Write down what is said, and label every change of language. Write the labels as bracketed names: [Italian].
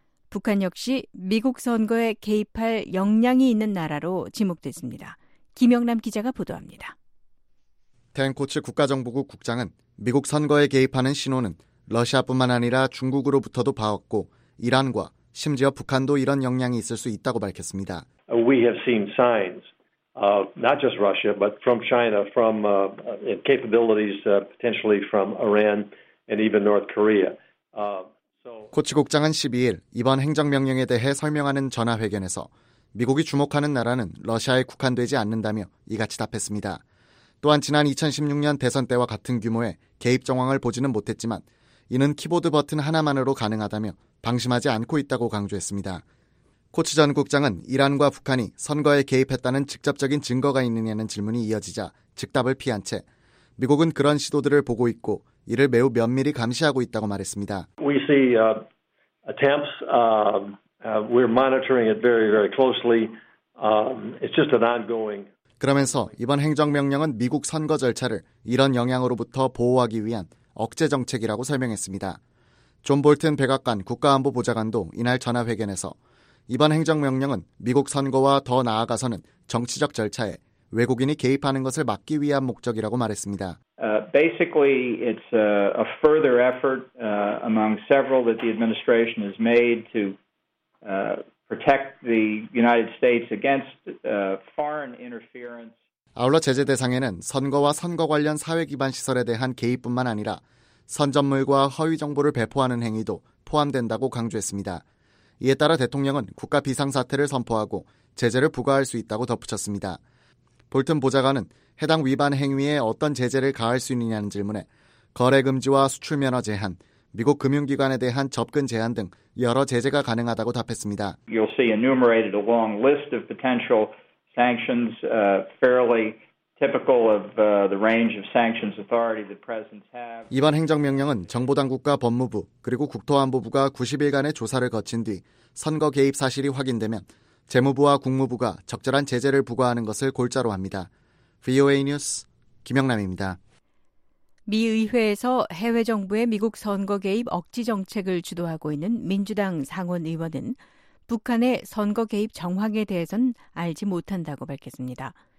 [Korean] 북한 역시 미국 선거에 개입할 역량이 있는 나라로 지목됐습니다. 김영남 기자가 보도합니다. 댄 코츠 국가정보국 국장은 미국 선거에 개입하는 신호는 러시아뿐만 아니라 중국으로부터도 봐왔고 이란과 심지어 북한도 이런 역량이 있을 수 있다고 밝혔습니다. [English] We have seen signs of not just Russia but from China from capabilities potentially from Iran and even North Korea. [Korean] 코츠 국장은 12일 이번 행정명령에 대해 설명하는 전화회견에서 미국이 주목하는 나라는 러시아에 국한되지 않는다며 이같이 답했습니다. 또한 지난 2016년 대선 때와 같은 규모의 개입 정황을 보지는 못했지만 이는 키보드 버튼 하나만으로 가능하다며 방심하지 않고 있다고 강조했습니다. 코츠 전 국장은 이란과 북한이 선거에 개입했다는 직접적인 증거가 있느냐는 질문이 이어지자 즉답을 피한 채 미국은 그런 시도들을 보고 있고 이를 매우 면밀히 감시하고 있다고 말했습니다. [English] We see attempts. We're monitoring it very, very closely. It's just an ongoing. [Korean] 그러면서 이번 행정명령은 미국 선거 절차를 이런 영향으로부터 보호하기 위한 억제 정책이라고 설명했습니다. 존 볼튼 백악관 국가안보 보좌관도 이날 전화회견에서 이번 행정명령은 미국 선거와 더 나아가서는 정치적 절차에 외국인이 개입하는 것을 막기 위한 목적이라고 말했습니다. [English] Basically, it's a further effort among several that the administration has made to protect the United States against foreign interference. [Korean] 아울러 제재 대상에는 선거와 선거 관련 사회 기반 시설에 대한 개입뿐만 아니라 선전물과 허위 정보를 배포하는 행위도 포함된다고 강조했습니다. 이에 따라 대통령은 국가 비상사태를 선포하고 제재를 부과할 수 있다고 덧붙였습니다. 볼튼 보좌관은 해당 위반 행위에 어떤 제재를 가할 수 있느냐는 질문에 거래 금지와 수출 면허 제한, 미국 금융기관에 대한 접근 제한 등 여러 제재가 가능하다고 답했습니다. [English] You'll see enumerated a long list of potential sanctions, fairly typical of the range of sanctions authority that presidents have. [Korean] 이번 행정명령은 정보당국과 법무부 그리고 국토안보부가 90일간의 조사를 거친 뒤 선거 개입 사실이 확인되면 재무부와 국무부가 적절한 제재를 부과하는 것을 골자로 합니다. VOA 뉴스 김영남입니다. 미 의회에서 해외 정부의 미국 선거 개입 억지 정책을 주도하고 있는 민주당 상원 의원은 북한의 선거 개입 정황에 대해서는 알지 못한다고 밝혔습니다.